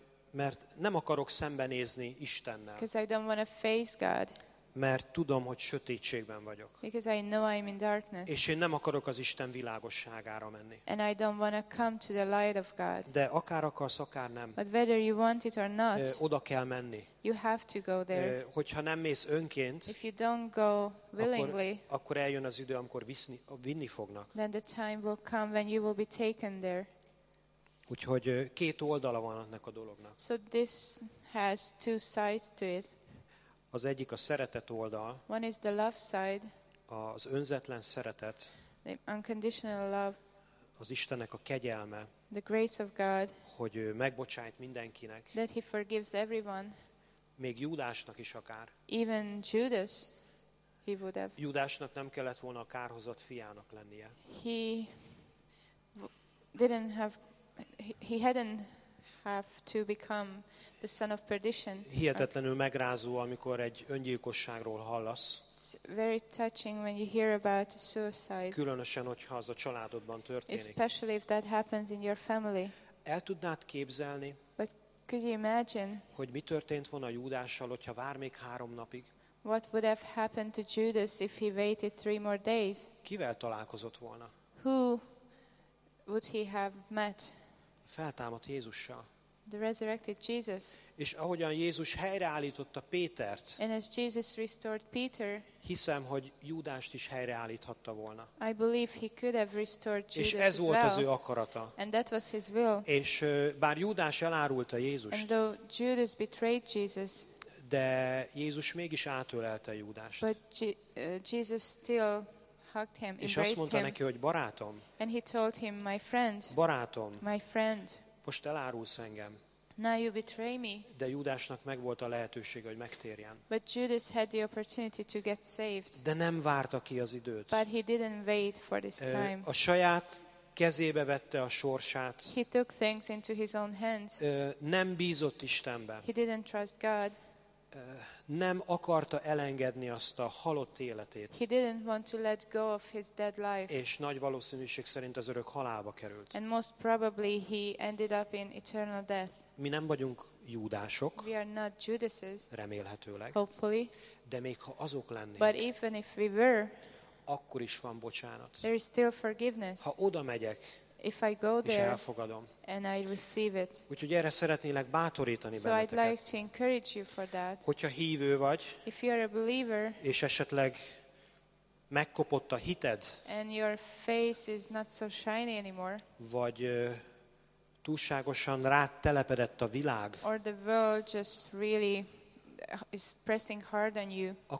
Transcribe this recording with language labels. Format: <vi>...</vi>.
<hu>Mert nem akarok szembenézni Istennel.</hu> <en>Because I don't want to face God.</en> <hu>Mert tudom, hogy sötétségben vagyok.</hu> <en>Because I know I'm in darkness.</en> <hu>És én nem akarok az Isten világosságára menni.</hu> <en>And I don't want to come to the light of God.</en> <hu>De akár akarsz, akár nem.</hu> <en>But whether you want it or not.</en> <hu>Oda kell menni.</hu> <en>You have to go there.</en> <hu>Hogyha nem mész önként.</hu> <en>If you don't go willingly.</en> <hu>Akkor eljön az idő, amikor vinni fognak.</hu> <en>Then the time will come when you will be taken there.</en> <hu>Úgyhogy két oldala van ennek a dolognak.</hu> <en>So this has two sides to it.</en> <hu>Az egyik a szeretet oldal.</hu> <en>One is the love side.</en> <hu>az önzetlen szeretet,</hu> <en>the unconditional love,</en> <hu>az Istennek a kegyelme,</hu> <en>the grace of God,</en> <hu>hogy ő megbocsájt mindenkinek,</hu> <en>that he forgives everyone,</en> <hu>még Júdásnak is akár.</hu> <en>Even Judas, he would have.</en> <hu>Júdásnak nem kellett volna a kárhozott fiának lennie.</hu> <en>He didn't have, he hadn't have to become the son of perdition.</en> <hu>Hihetetlenül megrázó, amikor egy öngyilkosságról hallasz.</hu> <en>It's very touching when you hear about a suicide.</en> <hu>Különösen, hogyha az a családodban történik.</hu> <en>Especially if that happens in your family.</en> <hu>El tudnád képzelni,</hu> <en>but could you imagine,</en> <hu>hogy mi történt volna Júdással, hogyha vár még három napig?</hu> <en>What would have happened to Judas if he waited three more days?</en> <hu>Kivel találkozott volna?</hu> <en>Who would he have met?</en> <hu>Feltámadt Jézussal.</hu> <en>The resurrected Jesus.</en> <hu>És ahogyan Jézus helyreállította Pétert,</hu> <en>and as Jesus restored Peter,</en> <hu>hiszem, hogy Júdást is helyreállíthatta volna.</hu> <en>I believe he could have restored Judas.</en> <hu>És ez volt</hu> <en>well,</en> <hu>az ő akarata.</hu> <en>And that was his will.</en> <hu>És bár Júdás elárulta Jézust,</hu> <en>and though Judas betrayed Jesus,</en> <hu>de Jézus mégis átölelte Júdást.</hu> <en>But Jesus still hugged him,</en> <hu>és azt mondta</hu> <en>him,</en> <hu>neki, hogy barátom.</hu> <en>And he told him, my friend,</en> <hu>barátom.</hu> <en>My friend.</en> <hu>Most elárulsz engem.</hu> <en>Now you betray me.</en> <hu>De Júdásnak megvolt a lehetőség, hogy megtérjen.</hu> <en>But Judas had the opportunity to get saved.</en> <hu>De nem várta ki az időt.</hu> <en>But he didn't wait for this time.</en> <hu>A saját kezébe vette a sorsát.</hu> <en>He took things into his own hands.</en> <hu>Nem bízott Istenbe.</hu> <en>He didn't trust God.</en> <hu>Nem akarta elengedni azt a halott életét.</hu> <en>He didn't want to let go of his dead life.</en> <hu>És nagy valószínűség szerint az örök halálba került.</hu> <en>And most probably he ended up in eternal death.</en> <hu>Mi nem vagyunk Júdások.</hu> <en>We are not Judases.</en> <hu>Remélhetőleg.</hu> <en>Hopefully.</en> <hu>De még ha azok lennénk.</hu> <en>But even if we were.</en> <hu>Akkor is van bocsánat.</hu> <en>There is still forgiveness.</en> <hu>Ha oda megyek.</hu> <en>If I go there,</en> <hu>és elfogadom.</hu> <en>And I receive it.</en> <hu>Úgyhogy erre szeretnélek bátorítani</hu> <en>so</en> <hu>benneteket.</hu> <en>I'd like to encourage you for that.</en> <hu>Hogyha hívő vagy,</hu> <en>if you're a believer,</en> <hu>és esetleg megkopott a hited,</hu> <en>and your face is not so shiny anymore,</en> <hu>vagy túlságosan rád telepedett a világ,</hu> <en>or the world just really is pressing hard on you,</en>